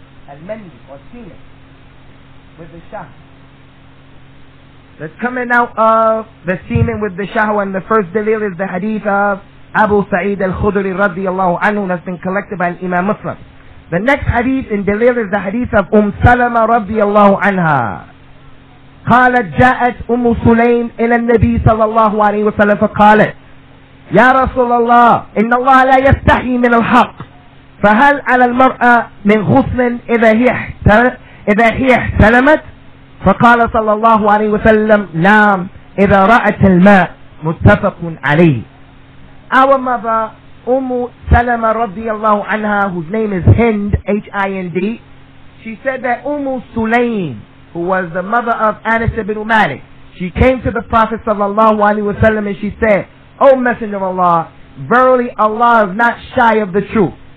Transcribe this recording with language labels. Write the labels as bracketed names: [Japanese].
[English] Al-manni or semen with the shahwa. The coming out of the semen with the shahwa, and the first dalil is the hadith of Abu Sa'id al-Khudri radiyallahu anhu that's been collected by Imam Muslim. The next hadith in dalil is the hadith of Salama radiyallahu anha. [Arabic] قالت جاءت أم سليم إلى النبي صلى الله عليه وسلم فقالت يا رسول الله إن الله لا يستحي من الحق فهل على المرأة من غسل إذا هي احتلمت فقال صلى الله عليه وسلم نعم إذا رأت الماء متفق عليه. [English] Our mother [Arabic] أم سلمة رضي الله عنها, [English] whose name is Hind, H-I-N-D, she said that أم سليم, who was the mother of Anas ibn Malik, she came to the Prophet sallallahu alaihi wasallam and she said, O Messenger of Allah, verily Allah is not shy of the truth.